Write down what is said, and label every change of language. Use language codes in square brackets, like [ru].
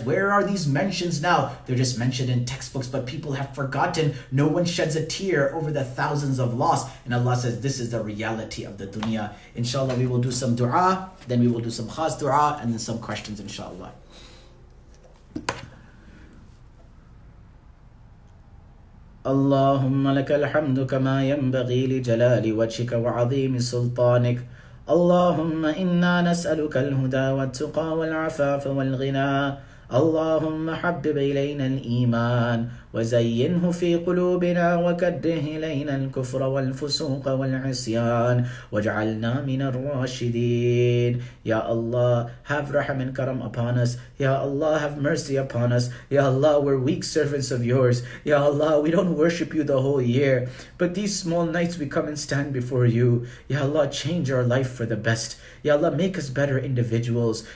[en] Where are these mentions now? They're just mentioned in textbooks, but people have forgotten. No one sheds a tear over the thousands of loss. And Allah says, this is the reality of the dunya. Inshallah, we will do some dua, then we will do some khas dua, and then some questions, inshallah. [ar] اللهم لك الحمد كما ينبغي لجلال وجهك وعظيم سلطانك. اللهم إنا نسألك الهدى والتقى والعفاف والغنى. اللهم حبب إلينا الإيمان وزينه في قلوبنا وكره إلينا الكفر والفسوق والعصيان واجعلنا من الراشدين. [en] يا الله, have رحم and كرم upon us. يا الله, have mercy upon us. يا الله, we're weak servants of yours. يا الله, we don't worship you the whole year, but these small nights we come and stand before you. يا الله, change our life for the best. يا الله, make us better individuals.